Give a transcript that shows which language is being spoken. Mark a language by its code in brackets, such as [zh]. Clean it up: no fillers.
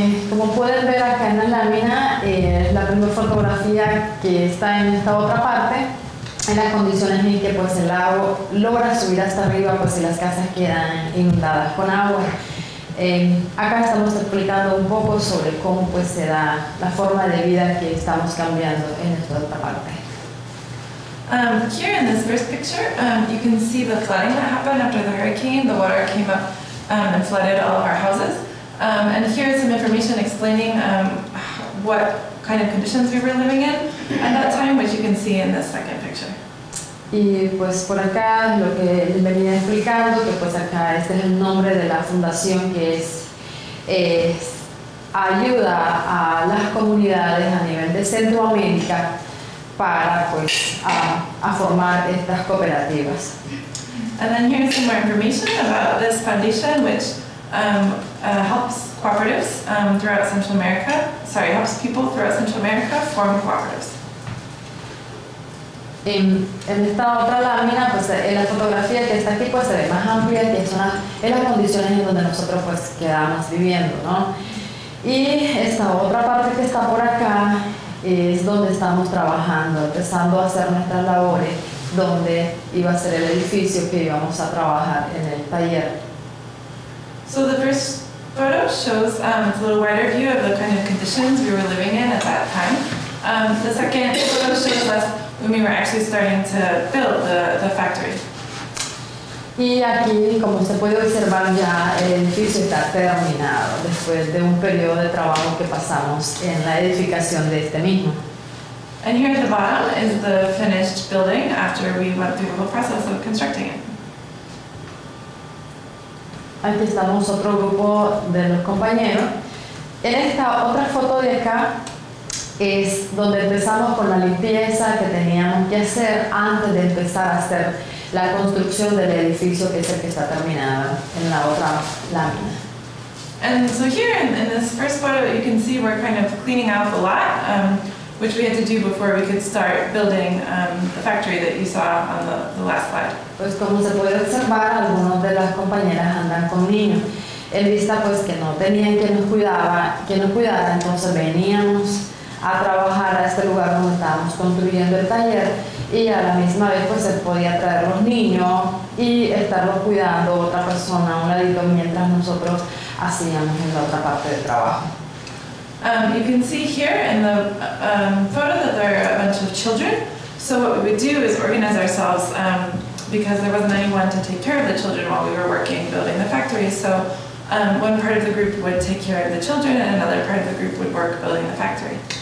[es] Como pueden ver acá en la lámina, es la primera fotografía que está en esta otra parte. En las condiciones en que pues, el agua logra subir hasta arriba, pues si las casas quedan inundadas con agua. Acá estamos explicando un poco sobre cómo pues, se da la forma de vida que estamos cambiando en esta otra parte. [en] Here in this first picture, you can see the flooding that happened after the hurricane. The water came up and flooded all of our houses. And here is some information explaining what kind of conditions we were living in at that time, which you can see in this second picture. [es] Y pues por acá lo que les venía explicando, que pues acá este es el nombre de la fundación que es ayuda a las comunidades a nivel de Centroamérica para pues a formar estas cooperativas. [en] And then here's some more information about this foundation, which helps cooperatives throughout Central America. Sorry, helps people throughout Central America form cooperatives. [es] En esta otra lámina, pues en la fotografía que está aquí, pues se ve más amplia, que son las condiciones en donde nosotros pues quedamos viviendo, ¿no? Y esta otra parte que está por acá es donde estamos trabajando, empezando a hacer nuestras labores, donde iba a ser el edificio que íbamos a trabajar en el taller. [en] So the first photo shows a little wider view of the kind of conditions we were living in at that time. The second photo shows us when we were actually starting to build the factory. [es] Y aquí, como se puede observar ya, el edificio está terminado después de un periodo de trabajo que pasamos en la edificación de este mismo. [en] And here at the bottom is the finished building after we went through the whole process of constructing it. [es] Aquí estamos otro grupo de los compañeros. En esta otra foto de acá es donde empezamos con la limpieza que teníamos que hacer antes de empezar a hacer la construcción del edificio que es el que está terminado en la otra lámina. [en] And so here in this first photo you can see we're kind of cleaning out the lot, which we had to do before we could start building the factory that you saw on the last slide. [es] Pues como se puede observar, algunos de las compañeras andan con niños. En vista pues que no tenían que nos cuidara, entonces veníamos a trabajar a este lugar donde estábamos construyendo el taller y a la misma vez pues se podía traer los niños y estarlos cuidando otra persona a un ladito mientras nosotros hacíamos en la otra parte del trabajo. [en] You can see here in the photo that there are a bunch of children. So what we would do is organize ourselves because there wasn't anyone to take care of the children while we were working building the factory. So One part of the group would take care of the children, and another part of the group would work building the factory.